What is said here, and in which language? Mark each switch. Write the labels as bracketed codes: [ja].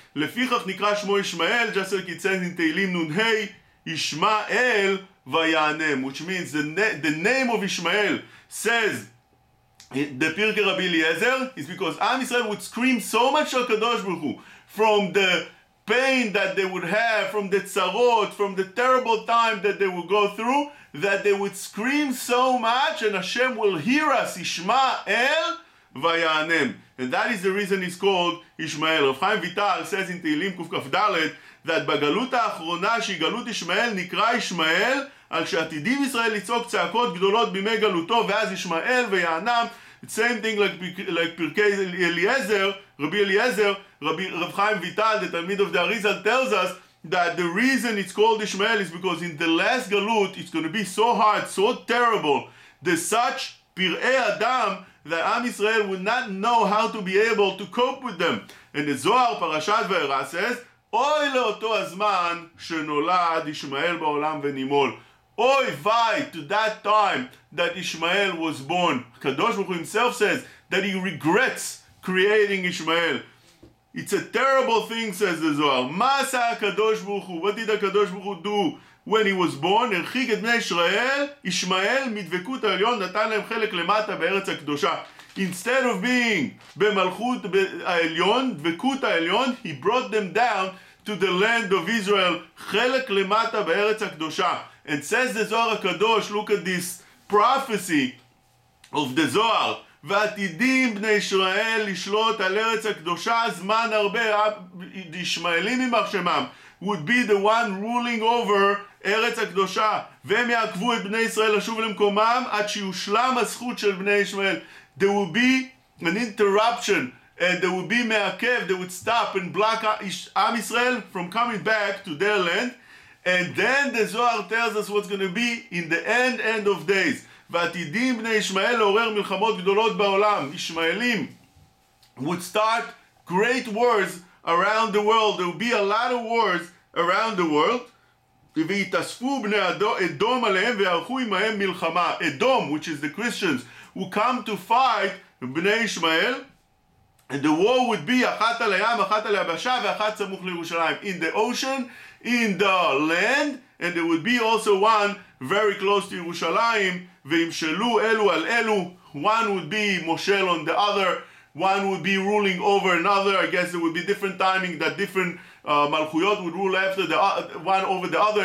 [he] Lefichach nikra shemo Ishmael, [en] just like it says in Tehilim Nunhei, Ishmael Vayanem, which means the name of Ishmael, says the Pirkei Rabbi Eliezer, is because Am Yisrael would scream so much to HaKadosh Baruch Hu from the pain that they would have, from the tzarot, from the terrible time that they would go through, that they would scream so much and Hashem will hear us, Ishmael Vayanem. And that is the reason it's called Ishmael. Rav Chaim Vital says in Tehilim Kuf Kaf Dalet, that [he] בגלות האחרונה שיגלות ישמעאל נקרא ישמעאל על שעתידים ישראל לצעוק צעקות גדולות בימי גלותו ואז ישמעאל ויענם. [en] Same thing like פרקי אליעזר, רבי אליעזר, רב חיים ויטל, the Talmid of the Arizal tells us that the reason it's called ישמעאל is because in the last galut it's going to be so hard, so terrible, there's such [he] פראי אדם [en] that Am Yisrael would not know how to be able to cope with them. And the Zohar [he] פרשת וירא says, אוי לאותו הזמן שנולד ישמעאל בעולם ונימול. [en] אוי וי, to that time that Ishmael was born. Kadosh Baruch Hu himself says that he regrets creating Ishmael. It's a terrible thing, says the Zohar. [he] מה עשה הקדוש ברוך הוא? [en] What did הקדוש ברוך הוא do when he was born? [he] הרחיק את בני ישראל, ישמעאל מדבקות העליון נתן להם חלק למטה בארץ הקדושה. [en] Instead of being [he] במלכות העליון, דבקות העליון, [en] he brought them down to the land of Israel, [he] חלק למטה בארץ הקדושה. [en] And says the Zohar הקדוש, look at this prophecy of the Zohar. [he] ועתידים בני ישראל לשלוט על ארץ הקדושה, זמן הרבה, ישמעאלים ימח שמם, [en] would be the one ruling over [he] ארץ הקדושה. והם יעקבו את בני ישראל לשוב למקומם, עד שיושלם הזכות של בני ישמעאל. [en] There will be an interruption, and there will be me'akev, they would stop and block Am Yisrael from coming back to their land. And then the Zohar tells us what's going to be in the end of days. [he] ועתידים בני ישמעאל לעורר מלחמות גדולות בעולם. [en] ישמעאלים would start great wars around the world. There will be a lot of wars around the world. [he] ויתאספו בני אדום עליהם וערכו עמהם מלחמה. [en] אדום, which is the Christians, who come to fight בני ישמעאל. And the war would be [he] אחת על הים, אחת על היבשה ואחת סמוך לירושלים. [en] In the ocean, in the land, and there would be also one very close to Yerushalayim. וימשלו אלו על אלו, one would be מושל on the other, one would be ruling over another. I guess there would be different timing that different מלכויות would rule after the one over the other.